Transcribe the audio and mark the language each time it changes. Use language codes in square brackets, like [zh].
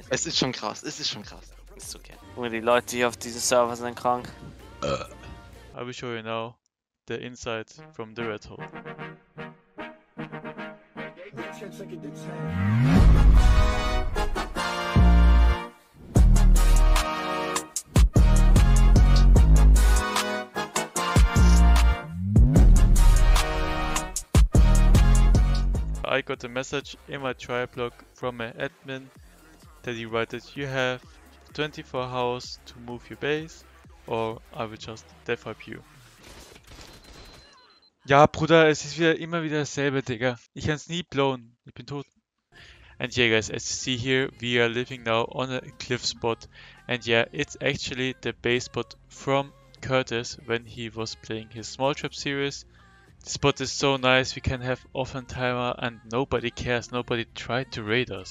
[de] Es ist schon krass, es ist schon krass. Ist okay. Junge, die Leute hier auf diesem Server sind krank. [en] I will show you now the insights from the Rathole. I got a message in my tribe log from my admin that he wrote that you have 24 hours to move your base. Or I will just death wipe you. [de] Ja, Bruder, es ist wieder immer wieder dasselbe, Digga. Ich kann's nie blown. Ich bin tot. [en] And yeah, guys, as you see here, we are living now on a cliff spot. And yeah, it's actually the base spot from Curtis when he was playing his small trap series. The spot is so nice, we can have off and timer and nobody cares, nobody tried to raid us.